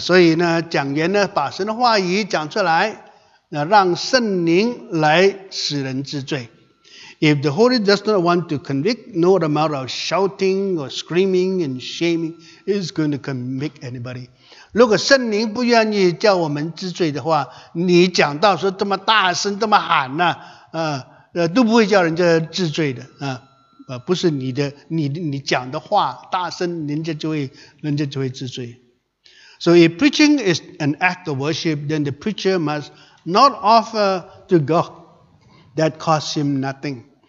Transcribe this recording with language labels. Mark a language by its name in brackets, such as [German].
[Chinese] 所以呢，讲员呢把神的话语讲出来。让圣灵来使人知罪。 [English] If the Holy does not want to convict, no amount of shouting or screaming and shaming is going to convict anybody. [Chinese] 如果圣灵不愿意叫我们知罪的话，你讲到说这么大声这么喊呢，都不会叫人家知罪的，不是你讲的话大声，人家就会知罪。 [English] So if preaching is an act of worship, then the preacher must not offer to God that costs him nothing.